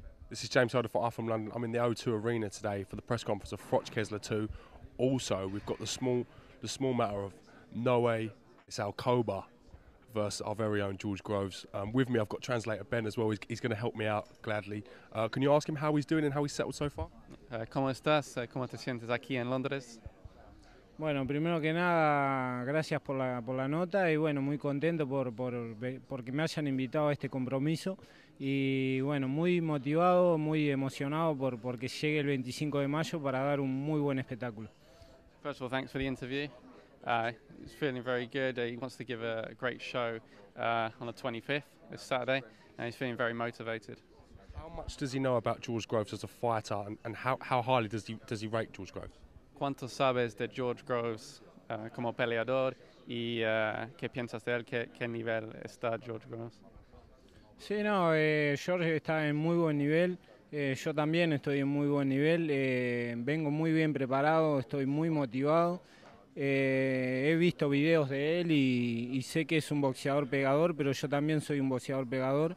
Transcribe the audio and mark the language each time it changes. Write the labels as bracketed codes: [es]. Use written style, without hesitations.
[en] This is James Holder for Off From London. I'm in the O2 Arena today for the press conference of Froch Kessler 2. Also, we've got the small matter of Noé Alcoba versus our very own George Groves. With me, I've got translator Ben as well. He's going to help me out gladly. Can you ask him how he's doing and how he's settled so far? [es] ¿Cómo estás? ¿Cómo te sientes aquí en Londres? Bueno, primero que nada, gracias por la nota y bueno, muy contento porque me hayan invitado a este compromiso y bueno, muy motivado, muy emocionado porque llegue el 25 de mayo para dar un muy buen espectáculo. [en] First of all, thanks for the interview. He's feeling very good. He wants to give a great show on the 25th, this Saturday, and he's feeling very motivated. How much does he know about George Groves as a fighter and how highly does he rate George Groves? [es] ¿Cuánto sabes de George Groves como peleador y qué piensas de él? ¿Qué nivel está George Groves? Sí, no, George está en muy buen nivel. Yo también estoy en muy buen nivel. Vengo muy bien preparado, estoy muy motivado. He visto videos de él y sé que es un boxeador pegador, pero yo también soy un boxeador pegador.